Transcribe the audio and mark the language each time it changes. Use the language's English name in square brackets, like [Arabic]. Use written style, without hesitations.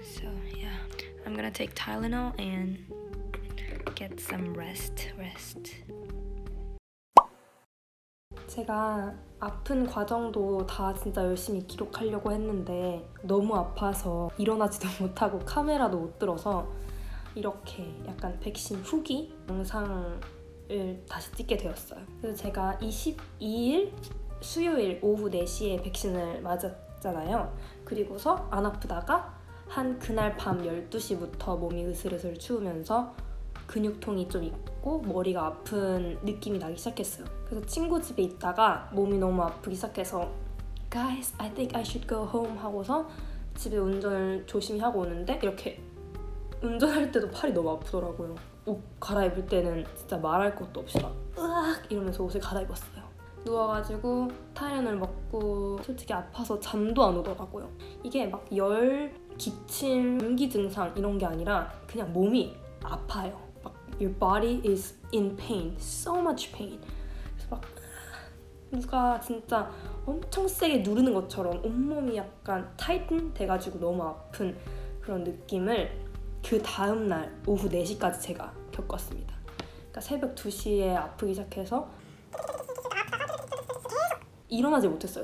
[English] So yeah, I'm gonna take Tylenol and get some rest. [Korean] 제가 아픈 과정도 다 진짜 열심히 기록하려고 했는데 너무 아파서 일어나지도 못하고 카메라도 못 들어서 이렇게 약간 백신 후기 영상을 다시 찍게 되었어요. 그래서 제가 22일 수요일 오후 4시에 백신을 맞았잖아요. 그리고서 안 아프다가 한 그날 밤 12시부터 몸이 으슬으슬 추우면서 근육통이 좀 있고 머리가 아픈 느낌이 나기 시작했어요. 그래서 친구 집에 있다가 몸이 너무 아프기 시작해서 [English] Guys, I think I should go home [Korean] 하고서 집에 운전을 조심히 하고 오는데 이렇게 운전할 때도 팔이 너무 아프더라고요. 옷 갈아입을 때는 진짜 말할 것도 없이 막 으악 이러면서 옷을 갈아입었어요. 누워가지고 타이레놀 먹고 솔직히 아파서 잠도 안 오더라고요. 이게 막 열, 기침, 감기 증상 이런 게 아니라 그냥 몸이 아파요. [English] 막 your body is in pain, so much pain. [Korean] 그래서 막 누가 진짜 엄청 세게 누르는 것처럼 온몸이 약간 타이튼 돼가지고 너무 아픈 그런 느낌을 그 다음날 오후 4시까지 제가 겪었습니다. 그러니까 새벽 2시에 아프기 시작해서 일어나지 못했어요.